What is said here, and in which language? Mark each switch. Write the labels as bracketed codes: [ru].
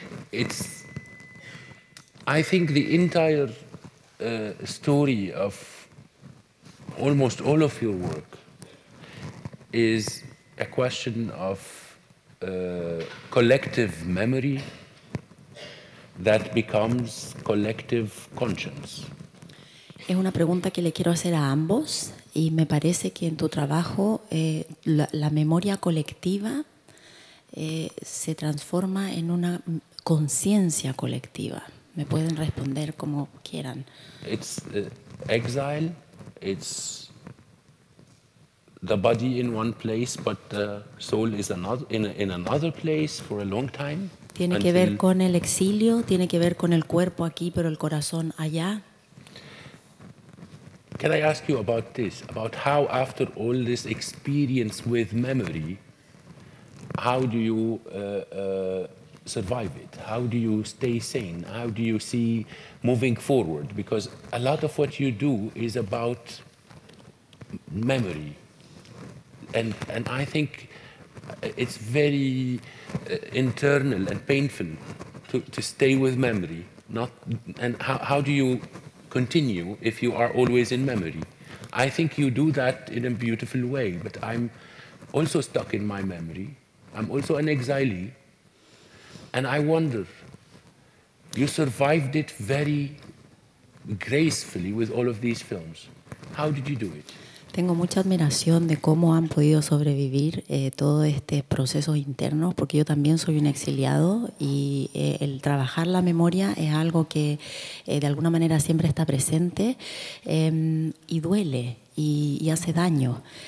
[en] It's, I think, the entire story of almost all of your work is a question of collective memory that becomes collective conscience. [es] Es una pregunta que le quiero hacer a ambos y me parece que en tu trabajo la memoria colectiva se transforma en una conciencia colectiva. Me pueden responder como quieran. [en] It's exile, it's the body in one place, but the soul is another, in another place for a long time. [es] Tiene que ver con el exilio, tiene que ver con el cuerpo aquí, pero el corazón allá. [en] Can I ask you about this? About how, after all this experience with memory, how do you survive it? How do you stay sane? How do you see moving forward? Because a lot of what you do is about memory. And I think it's very internal and painful to stay with memory. How do you continue if you are always in memory? I think you do that in a beautiful way, but I'm also stuck in my memory. I'm also an exilee. And I wonder, you survived it very gracefully with all of these films. How did you do it? [es] Tengo mucha admiración de cómo han podido sobrevivir todo este proceso interno, porque yo también soy un exiliado y el trabajar la memoria es algo que de alguna manera siempre está presente y duele y hace daño.